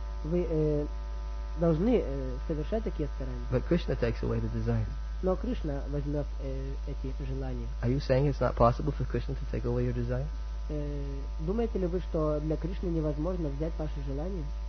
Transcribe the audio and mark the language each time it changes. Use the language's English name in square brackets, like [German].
[Russian] Вы должны совершать такие старания. [English] But Krishna takes away the desire. [Russian] Но Кришна возьмет эти желания. [English] Are you saying it's not possible for Krishna to take away your desire? [Russian] Думаете ли вы, что для Кришны невозможно взять ваши желания?